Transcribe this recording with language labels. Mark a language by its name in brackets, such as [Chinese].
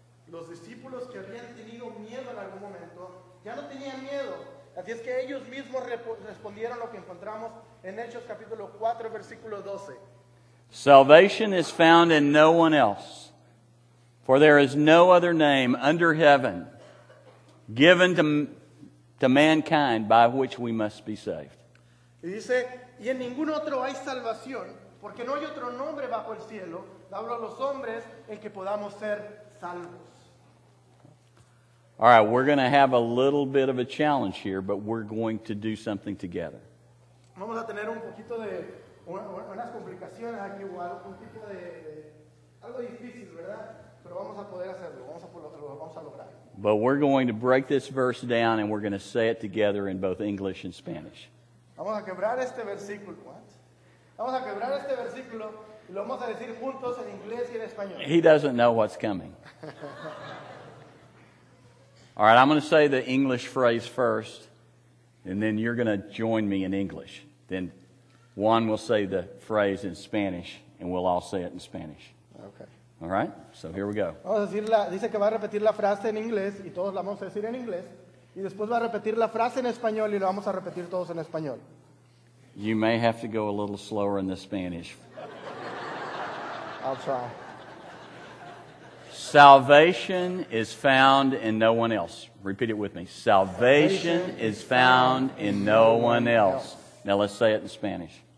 [Spanish] los discípulos que habían tenido miedo en algún momento, ya no tenían miedo. Así es que ellos mismos respondieron lo que encontramos en Hechos capítulo 4, versículo 12. [English] Salvation is found in no one else. For there is no other name under heaven given to mankind by which we must be saved. [Spanish] Y dice, y en ningún otro hay salvación, porque no hay otro nombre bajo el cielo, dado a los hombres, en que podamos ser salvos. [English] All right, we're going to have a little bit of a challenge here, but we're going to do something together. [Spanish] Vamos a tener un poquito de unas complicaciones aquí, un tipo de algo difícil, ¿verdad? Pero vamos a poder hacerlo, vamos a lograr. [English] But we're going to break this verse down and we're going to say it together in both English and Spanish. [Spanish] Vamos a quebrar este versículo. Vamos a quebrar este versículo y lo vamos a decir juntos en inglés y en español. [English] He doesn't know what's coming. All right, I'm going to say the English phrase first, and then you're going to join me in English. Then Juan will say the phrase in Spanish, and we'll all say it in Spanish. Okay. All right, so here we go. [Spanish] Vamos a decir la, dice que va a repetir la frase en inglés, y todos la vamos a decir en inglés, y después va a repetir la frase en español, y la vamos a repetir todos en español. [English] You may have to go a little slower in the Spanish. I'll try. Salvation is found in no one else. Repeat it with me. Salvation is found in no one else. Now let's say it in Spanish.